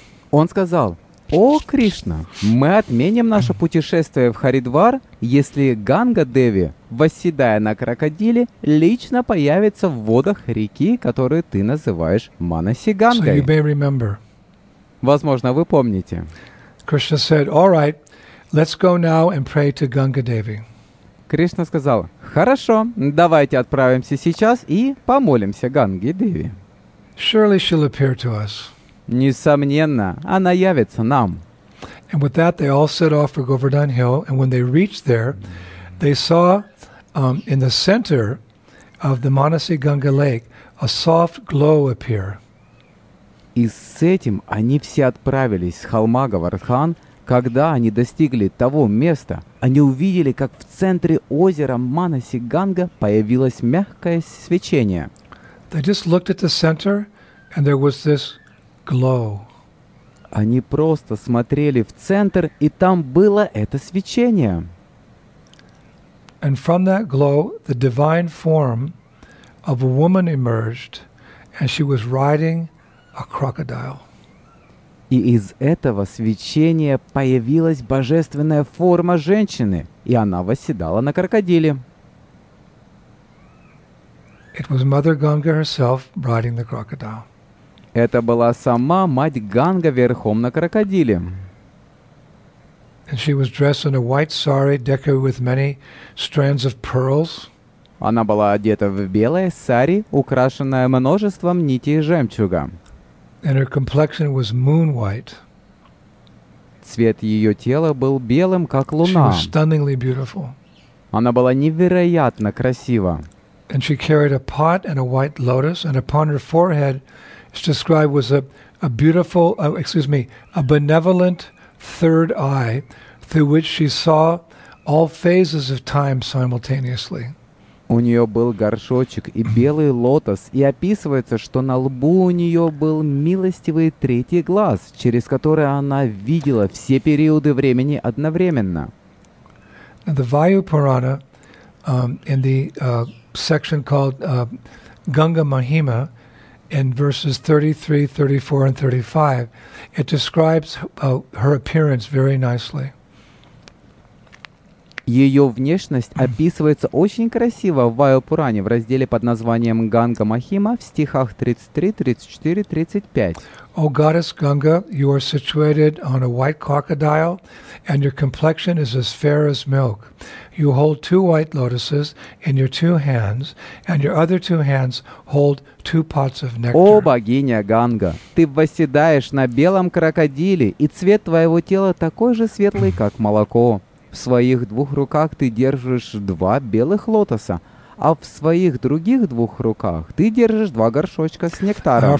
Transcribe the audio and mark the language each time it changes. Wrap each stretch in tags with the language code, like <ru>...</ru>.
<ru>Он сказал: "О Кришна, мы отменим наше путешествие в Харидвар, если Ганга Деви, восседая на крокодиле, лично появится в водах реки, которую ты называешь Манаси Гангой."</ru> <en>So you may remember.</en> <ru>Возможно, вы помните.</ru> <en>Krishna said, "All right, let's go now and pray to Ganga Devi."</en> <ru>Кришна сказал: "Хорошо, давайте отправимся сейчас и помолимся Ганге Деви."</ru> <en>Surely she'll appear to us.</en> <ru>Несомненно, она явится нам.</ru> <en>And with that, they all set off for Govardhan Hill. And when they reached there, they saw in the center of the Manasi Ganga Lake a soft glow appear.</en> <ru>И с этим они все отправились с холма Говардхан. Когда они достигли того места, они увидели, как в центре озера Манаси Ганга появилось мягкое свечение.</ru> <en>They just looked at the center, and there was this glow.</en> <ru>Они просто смотрели в центр, и там было это свечение.</ru> <en>And from that glow, the divine form of a woman emerged, and she was riding a crocodile.</en> <ru>И из этого свечения появилась божественная форма женщины, и она восседала на крокодиле.</ru> <en>It was Mother Ganga herself riding the crocodile.</en> <ru>Это была сама мать Ганга верхом на крокодиле.</ru> <en>And she was dressed in a white sari decorated with many strands of pearls.</en> <ru>Она была одета в белое сари, украшенное множеством нитей жемчуга.</ru> <en>And her complexion was moon white.</en> <ru>Цвет ее тела был белым, как луна.</ru> <en>She was stunningly beautiful.</en> <ru>Она была невероятно красива.</ru> <en>And she carried a pot and a white lotus, and upon her forehead it's described was a benevolent third eye through which she saw all phases of time simultaneously.</en> <ru>У нее был горшочек и белый лотос, и описывается, что на лбу у нее был милостивый третий глаз, через который она видела все периоды времени одновременно.</ru> <en>Now the Vayu Purana, in the section called Ganga Mahima, in verses 33, 34, and 35, it describes her appearance very nicely.</en> <ru>Ее внешность описывается очень красиво в Ваю-Пуране в разделе под названием «Ганга Махима» в стихах 33, 34, 35.</ru> <en>O goddess Ganga, you are situated on a white crocodile, and your complexion is as fair as milk. You hold two white lotuses in your two hands, and your other two hands hold two pots of nectar.</en> <ru>О, богиня Ганга, ты восседаешь на белом крокодиле, и цвет твоего тела такой же светлый, как молоко. В своих двух руках ты держишь два белых лотоса, а в своих других двух руках ты держишь два горшочка с нектаром.</ru>